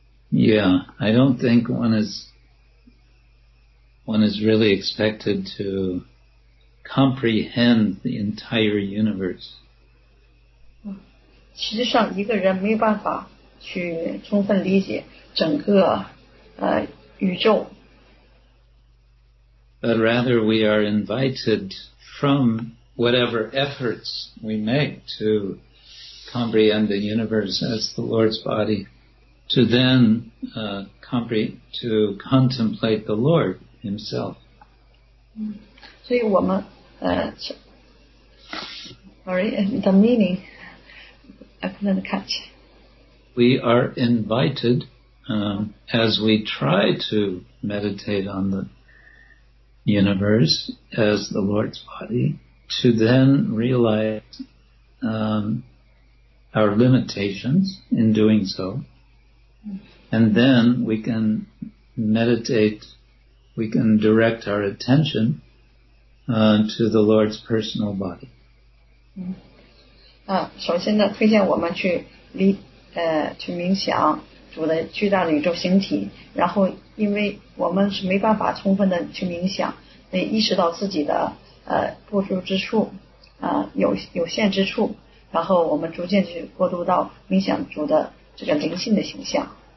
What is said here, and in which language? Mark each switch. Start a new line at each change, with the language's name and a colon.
English: Yeah, I don't think one is really expected to comprehend the entire universe.
Chinese: 实际上一个人没有办法去充分理解整个宇宙。
English: But rather we are invited from whatever efforts we make to comprehend the universe as the Lord's body, to then to contemplate the Lord himself.
Chinese: 所以我们
English: the meaning I couldn't catch. We are invited as we try to meditate on the universe as the Lord's body to then realize our limitations in doing so. And then we can meditate, we can direct our attention to the Lord's personal body.
Chinese: 首先呢，推荐我们去去冥想主的巨大的宇宙形体，然后因为我们是没办法充分的去冥想，得意识到自己的不足之处，有限之处，然后我们逐渐去过渡到冥想主的这个灵性的形象。